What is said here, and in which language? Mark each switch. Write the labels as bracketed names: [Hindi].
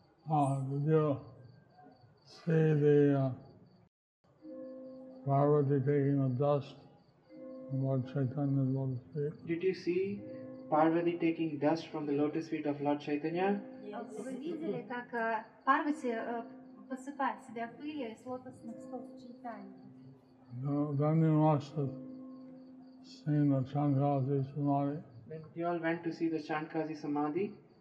[English] Oh, did you see the Parvati taking the dust from Lord Chaitanya's lotus feet? Did you see Parvati taking dust from the lotus feet of Lord Chaitanya? Yes. [Russian] Вы видели, как Парвати посыпает себя пылью из лотосных стоп Чайтаньи? [English] Then you must have seen the Chandrasi Samadhi. Then you all went to see the Chandkasi Samadhi?